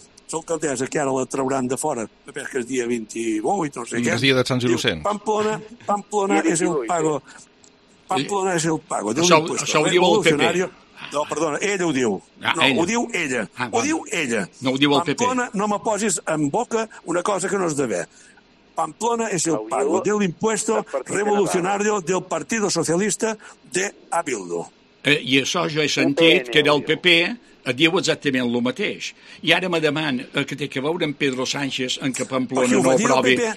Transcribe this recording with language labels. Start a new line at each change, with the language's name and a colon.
Catalan: L'alcaldessa, que ara la trauran de fora, perquè és dia 28, no sé què. És dia de Sant Innocent. Pamplona, Pamplona és el pago. Pamplona és el pago. Això ho diu el PP. No, perdona, ella ho diu. No, ella. Ho diu ella. Ho diu ella. No ho diu el PP. Pamplona, no me posis en boca una cosa que no és d'haver.
Spanish: Pamplona es el pago de l'impuesto revolucionario del Partido Socialista de Abildo.
Catalan: I això jo he sentit que del PP diu exactament el mateix. I ara me deman que té que veure amb Pedro Sánchez en que Pamplona no aprovi.